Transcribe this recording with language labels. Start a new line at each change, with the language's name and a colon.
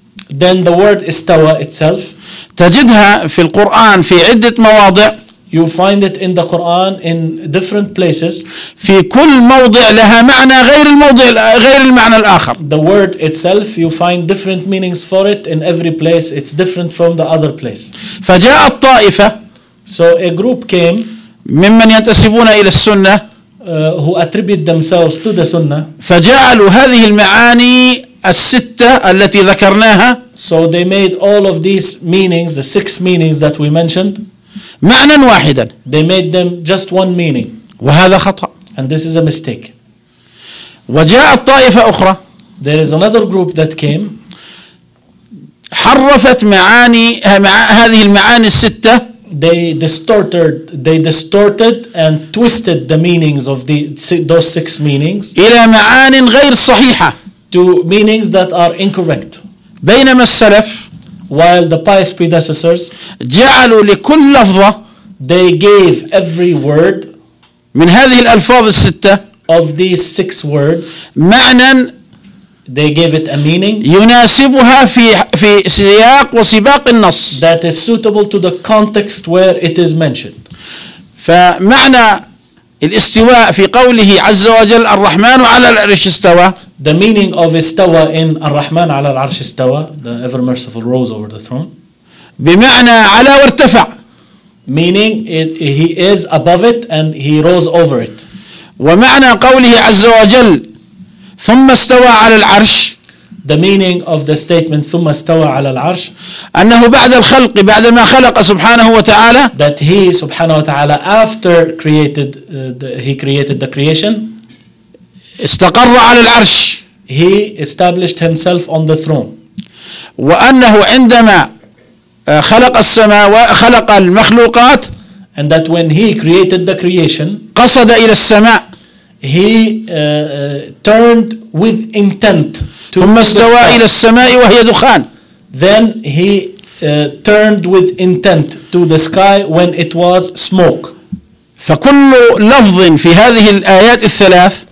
English: then the word استوى itself
Arabic: تجدها في القرآن في عدة مواضع
English: You find it in the Quran in different places.
Arabic: في كل موضع لها معنى غير الموضع غير المعنى الآخر.
English: The word itself, you find different meanings for it in every place. It's different from the other place.
Arabic: فجاء الطائفة.
English: So a group came.
Arabic: ممن ينتسبون إلى السنة.
English: Who attribute themselves to the Sunnah.
Arabic: فجعلوا هذه المعاني الستة التي ذكرناها.
English: So they made all of these meanings, the six meanings that we mentioned.
Arabic: معنى واحدا.
English: They made them just one meaning.
Arabic: وهذا خطأ.
English: And this is a mistake.
Arabic: وجاء الطائفة أخرى.
English: There is another group that came.
Arabic: حرفت معاني هذه المعاني الستة.
English: They distorted and twisted the meanings of those six meanings.
Arabic: إلى معان غير صحيحة.
English: To meanings that are incorrect.
Arabic: بينما السلف.
English: While the pious predecessors
Arabic: جعلوا لكل لفظة
English: they gave every word
Arabic: من هذه الألفاظ الستة
English: of these six words
Arabic: معنى
English: they gave it a meaning
Arabic: يناسبها في سياق وسباق النص
English: that is suitable to the context where it is mentioned.
Arabic: فمعنى الاستواء في قوله عز وجل الرحمن على العرش استوى.
English: The meaning of استوى in
Arabic: الرحمن على العرش استوى,
English: the ever merciful rose over the throne.
Arabic: بمعنى على وارتفع.
English: Meaning he is above it and he rose over it.
Arabic: ومعنى قوله عز وجل ثم استوى على العرش.
English: The meaning of the statement
Arabic: ثم استوى على العرش. أنه بعد الخلق بعد ما خلق سبحانه وتعالى.
English: That he
Arabic: سبحانه وتعالى
English: after created he created the creation.
Arabic: استقر على العرش.
English: He established himself on the throne.
Arabic: وأنه عندما خلق السماء وخلق المخلوقات.
English: And that when he created the creation.
Arabic: قصد إلى السماء.
English: He turned with intent.
Arabic: ثم استوى إلى السماء وهي دخان.
English: Then he turned with intent to the sky when it was smoke.
Arabic: فكل لفظ في هذه الآيات الثلاث.